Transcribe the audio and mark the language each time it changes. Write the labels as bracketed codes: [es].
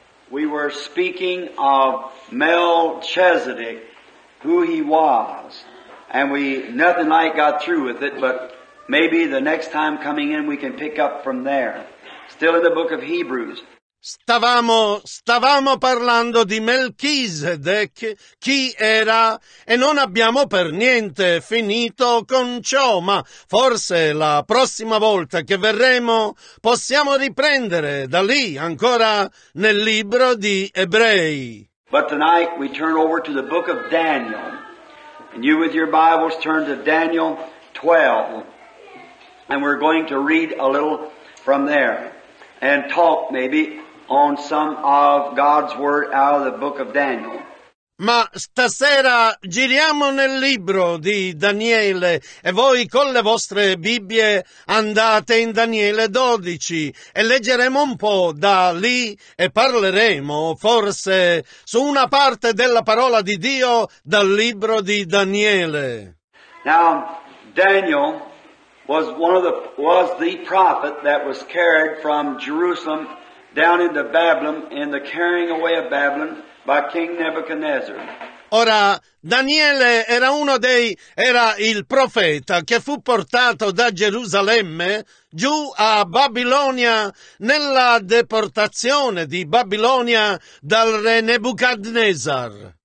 [en] We were speaking of Melchizedek, who he was, and we nothing like got through with it, but maybe the next time coming in we can pick up from there. Still in the book of Hebrews. [it] Stavamo parlando di Melchisedec, chi era, e non abbiamo per niente finito con ciò, ma forse la prossima volta che verremo possiamo riprendere da lì, ancora nel libro di Ebrei. [en] But tonight we turn over to the book of Daniel, and you with your Bibles turn to Daniel 12, and we're going to read a little from there. And talk maybe on some of God's word out of the book of Daniel. [it] Ma stasera giriamo nel libro di Daniele e voi con le vostre Bibbie andate in Daniele 12 e leggeremo un po' da lì e parleremo forse su una parte della parola di Dio dal libro di Daniele. [en] Now Daniel was one of the prophet that was carried from Jerusalem down into Babylon in the carrying away of Babylon by King Nebuchadnezzar. [it] Ora Daniele era il profeta che fu portato da Gerusalemme giù a Babilonia nella deportazione di Babilonia dal re Nebuchadnezzar.